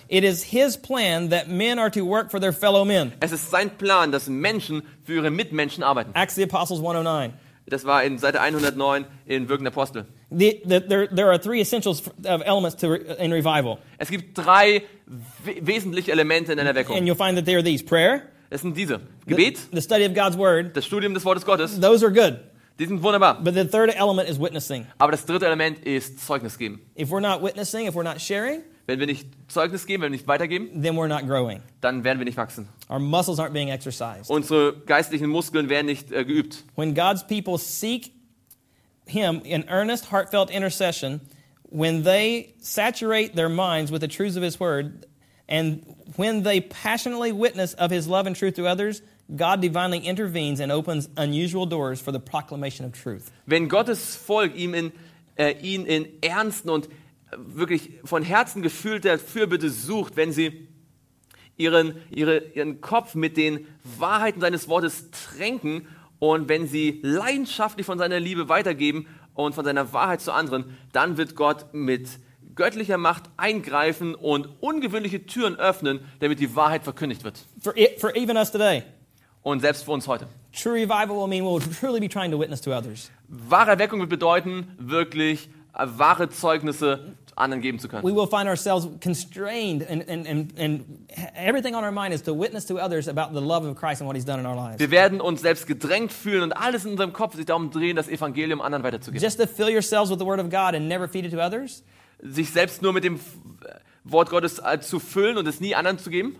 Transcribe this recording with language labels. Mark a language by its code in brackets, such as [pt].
[en] It is his plan that men are to work for their fellow men. [de] Es ist sein Plan, dass Menschen für ihre Mitmenschen arbeiten. [en] Acts the Apostles 109. [de] Das war in Seite 109 in Wirken der Apostel. [en] There are three essentials of elements to in revival. [de] Es gibt drei wesentliche Elemente in einer Erweckung. [en] And you'll find that they are these: prayer. [de] Es sind diese. Gebet. [en] The study of God's word. [de] Das Studium des Wortes Gottes. [en] Those are good. [de] Die sind wunderbar. [en] But the third element is witnessing. [de] Aber das dritte Element ist Zeugnis geben. [en] If we're not witnessing, if we're not sharing, [de] wenn wir nicht Zeugnis geben, wenn wir nicht weitergeben, [en] then we're not growing. [de] Dann werden wir nicht wachsen. [en] Our muscles aren't being exercised. [de] Unsere geistlichen Muskeln werden nicht geübt. [en] When God's people seek him in earnest, heartfelt intercession, when they saturate their minds with the truths of his word, and when they passionately witness of his love and truth to others, God divinely intervenes and opens unusual doors for the proclamation of truth. [de] Wenn Gottes Volk ihn in ernsten und wirklich von Herzen gefühlter Fürbitte sucht, wenn sie ihren Kopf mit den Wahrheiten seines Wortes tränken und wenn sie leidenschaftlich von seiner Liebe weitergeben und von seiner Wahrheit zu anderen, dann wird Gott mit göttlicher Macht eingreifen und ungewöhnliche Türen öffnen, damit die Wahrheit verkündigt wird. [en] For even us today. [de] Und selbst für uns heute. [en] True revival will mean we'll truly be trying to witness to others. [de] Wahre Erweckung wird bedeuten, wirklich wahre Zeugnisse anderen geben zu können. [en] We will find ourselves constrained and everything on our mind is to witness to others about the love of Christ and what he's done in our lives. [de] Wir werden uns selbst gedrängt fühlen und alles in unserem Kopf sich darum drehen, das Evangelium anderen weiterzugeben. [en] Just to fill yourselves with the word of God and never feed it to others. [de] Sich selbst nur mit dem Wort Gottes zu füllen und es nie anderen zu geben,